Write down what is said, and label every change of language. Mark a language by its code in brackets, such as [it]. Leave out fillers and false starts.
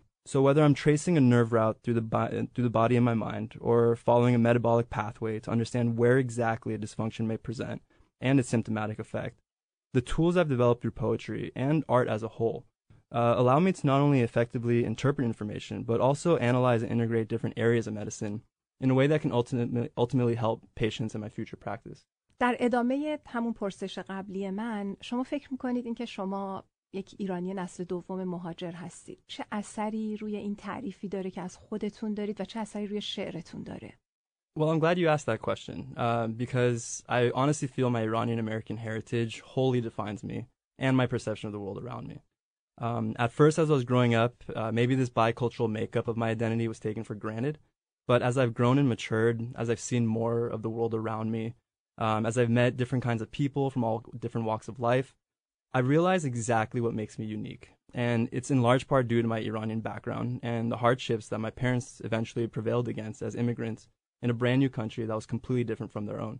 [en] So whether I'm tracing a nerve route through the body in my mind or following a metabolic pathway to understand where exactly a dysfunction may present and its symptomatic effect, the tools I've developed through poetry and art as a whole allow me to not only effectively interpret information, but also analyze and integrate different areas of medicine in a way that can ultimately help patients in my future practice. [fa] در ادامه همون پرسش قبلی من، شما فکر میکنید اینکه شما یک ایرانی نسل دوم مهاجر هستید، چه اثری روی این تعریفی داره که از خودتون دارید و چه اثری روی شعرتون داره؟ [en] Well, I'm glad you asked that question because I honestly feel my Iranian-American heritage wholly defines me and my perception of the world around me. At first, as I was growing up, maybe this bicultural makeup of my identity was taken for granted. But as I've grown and matured, as I've seen more of the world around me, as I've met different kinds of people from all different walks of life, I realize exactly what makes me unique, and it's in large part due to my Iranian background and the hardships that my parents eventually prevailed against as immigrants in a brand new country that was completely different from their own.